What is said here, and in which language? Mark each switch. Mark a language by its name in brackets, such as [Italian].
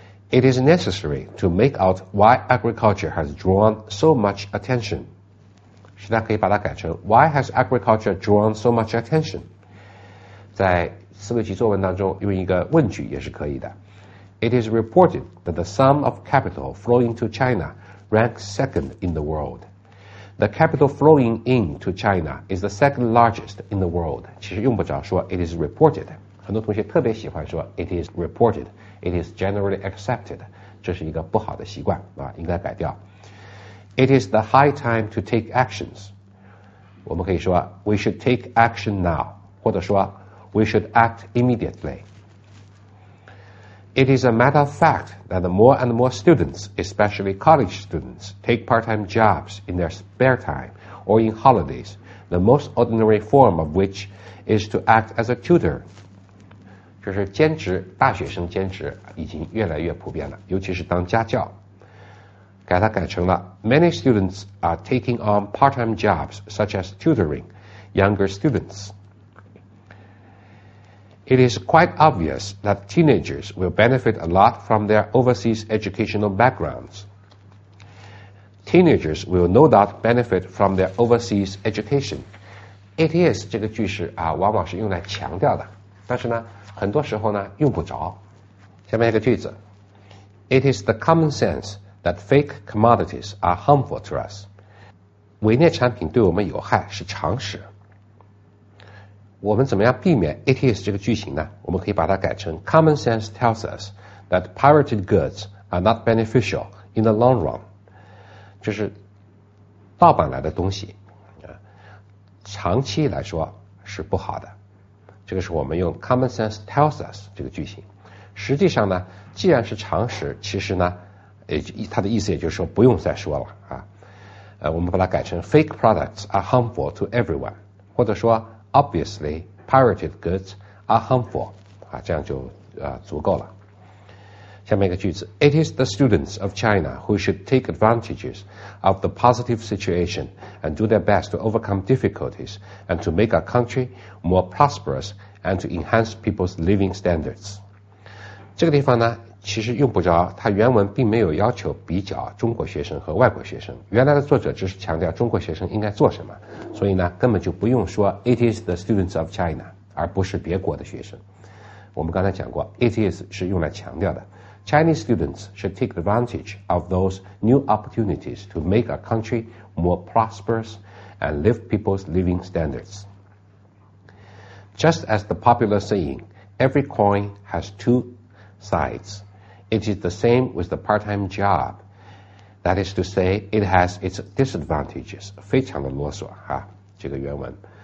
[English] It is necessary to make out why agriculture has drawn so much attention. [Chinese] 实际上可以把它改成 [English] Why has agriculture drawn so much attention? [Chinese] 在四六级作文当中用一个问句也是可以的。 [English] It is reported that the sum of capital flowing to China ranks second in the world. The capital flowing in to China is the second largest in the world. [Chinese] 其实用不着说 [English] it is reported. [Chinese] 很多同学特别喜欢说 it is reported. [English] It is generally accepted. [Chinese] 这是一个不好的习惯、啊、应该改掉。 [English] It is the high time to take actions. 我们可以说 we should take action now. [Chinese] 或者说 [English] we should act immediately. It is a matter of fact that more and more students, especially college students, take part-time jobs in their spare time or in holidays, the most ordinary form of which is to act as a tutor. [Chinese] 就是兼职，大学生兼职已经越来越普遍了，尤其是当家教。改它改成了 [English] Many students are taking on part-time jobs such as tutoring younger students. It is quite obvious that teenagers will benefit a lot from their overseas educational backgrounds. Teenagers will no doubt benefit from their overseas education. [Chinese] It is 这个句式啊，往往是用来强调的，但是呢，很多时候呢用不着。下面一个句子 [English] ，It is the common sense that fake commodities are harmful to us. [Chinese] 伪劣产品对我们有害是常识。我们怎么样避免 it is 这个句型呢？我们可以把它改成 [English] common sense tells us that pirated goods are not beneficial in the long run. [Chinese] 就是盗版来的东西长期来说是不好的。这个是我们用 [English] common sense tells us [Chinese] 这个句型。实际上呢，既然是常识，其实呢，它的意思也就是说不用再说了啊。我们把它改成 [English] fake products are harmful to everyone， [Chinese] 或者说 [English] Obviously, pirated goods are harmful. [Chinese] 啊，这样就足够了。下面一个句子 [English] ，It is the students of China who should take advantages of the positive situation and do their best to overcome difficulties and to make our country more prosperous and to enhance people's living standards. [Chinese] 这个地方呢，其实用不着，它原文并没有要求比较中国学生和外国学生。原来的作者只是强调中国学生应该做什么。所以呢，根本就不用说 [English] it is the students of China， [Chinese] 而不是别国的学生。我们刚才讲过 ，it is 是用来强调的。 [English] Chinese students should take advantage of those new opportunities to make our country more prosperous and lift people's living standards. Just as the popular saying, "Every coin has two sides," it is the same with the part-time job. That is to say, it has its disadvantages. [Chinese] 非常的啰嗦啊，这个原文。